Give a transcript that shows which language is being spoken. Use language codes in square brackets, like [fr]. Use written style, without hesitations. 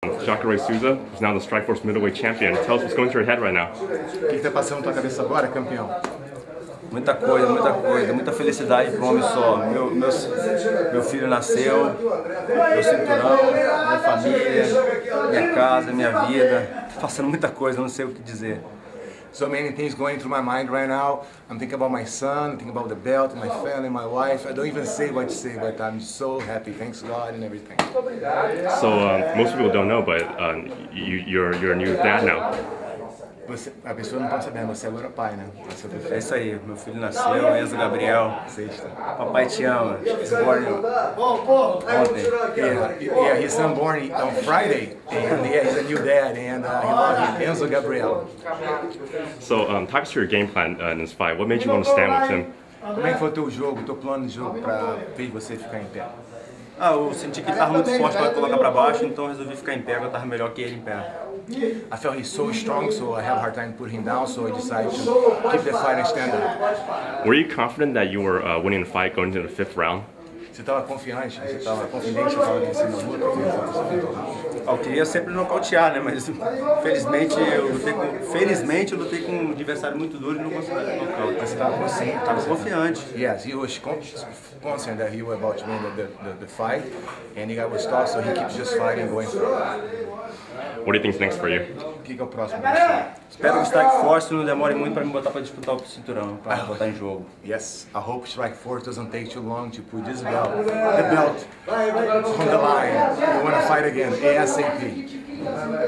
[en] Jacare Souza, who's now the Strikeforce Middleweight Champion. Tell us what's going through your head right now. [pt] O que está passando na tua cabeça agora, campeão? Muita coisa, muita felicidade para um homem só. Meu filho nasceu, meu cinturão, minha família, minha casa, minha vida. Estou passando muita coisa, não sei o que dizer. [en] So many things going through my mind right now. I'm thinking about my son, thinking about the belt, my family, my wife. I don't even say what to say, but I'm so happy. Thanks God and everything. So most people don't know, but you're a new dad now. [pt] Você, a pessoa não tá sabendo, você agora é pai, né? É isso aí, meu filho nasceu, Enzo Gabriel. Sexta. Papai te ama. [en] He's born [pt] ontem. [en] Yeah, his son born on Friday. And yeah, he's a new dad. And he loves him. Enzo Gabriel. So, talk to your game plan in this fight. What made you want to stand with him? [pt] Como é que foi o teu jogo, teu plano de jogo pra ver você ficar em pé? Ah, eu senti que ele tava muito forte pra colocar pra baixo, então eu resolvi ficar em pé, eu tava melhor que ele em pé. [en] I felt he's so strong, so I had a hard time putting him down, so I decided to keep the fight and stand up. Were you confident that you were winning the fight going into the fifth round? [pt] Você tava confiante? Você tava confiante que eu tava vencendo a luta? Eu queria sempre nocautear, né? Mas felizmente eu lutei com um adversário muito duro e não consegui nocautear. Mas você tava consciente? Tava confiante. [en] Yes, he was confident that he was about to win the fight. And he got was tough, so he keeps just fighting going through. What do you think is next for you? [pt] Que é o próximo? Espero que o Strikeforce não demore muito para me botar para disputar o cinturão, para botar em jogo. [en] Yes, I hope Strikeforce doesn't take too long to put this belt, the belt, on the line. We want to fight again, ASAP.